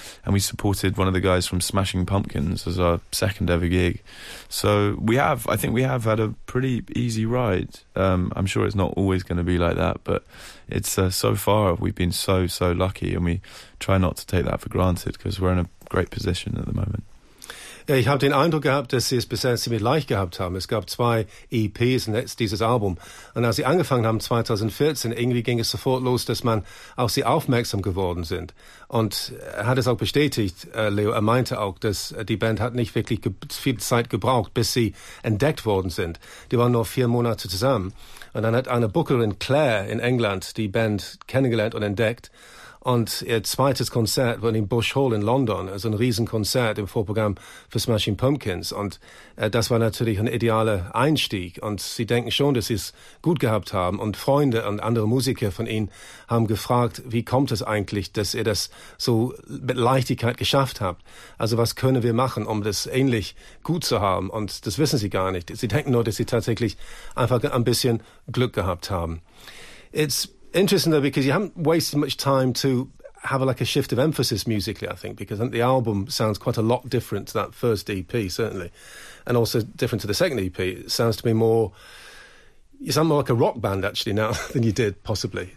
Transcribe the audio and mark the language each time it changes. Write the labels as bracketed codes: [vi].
[en] And we supported one of the guys from Smashing Pumpkins as our second ever gig. So I think we have had a pretty easy ride. I'm sure it's not always going to be like that, but it's so far we've been so, so lucky, and we try not to take that for granted because we're in a great position at the moment. [de] Ich habe den Eindruck gehabt, dass Sie es bisher ziemlich leicht gehabt haben. Es gab zwei EPs und jetzt dieses Album. Und als Sie angefangen haben 2014, irgendwie ging es sofort los, dass man auf Sie aufmerksam geworden sind. Und er hat es auch bestätigt, Leo, er meinte auch, dass die Band hat nicht wirklich viel Zeit gebraucht, bis sie entdeckt worden sind. Die waren nur 4 Monate zusammen. Und dann hat eine Bookerin Claire in England die Band kennengelernt und entdeckt. Und ihr zweites Konzert war in Bush Hall in London, also ein Riesenkonzert im Vorprogramm für Smashing Pumpkins. Und das war natürlich ein idealer Einstieg. Und sie denken schon, dass sie es gut gehabt haben. Und Freunde und andere Musiker von ihnen haben gefragt, wie kommt es eigentlich, dass ihr das so mit Leichtigkeit geschafft habt? Also was können wir machen, um das ähnlich gut zu haben? Und das wissen sie gar nicht. Sie denken nur, dass sie tatsächlich einfach ein bisschen Glück gehabt haben. [en] It's interesting, though, because you haven't wasted much time to have like a shift of emphasis musically, I think, because the album sounds quite a lot different to that first EP, certainly, and also different to the second EP. It sounds to me more, you sound more like a rock band, actually, now than you did, possibly.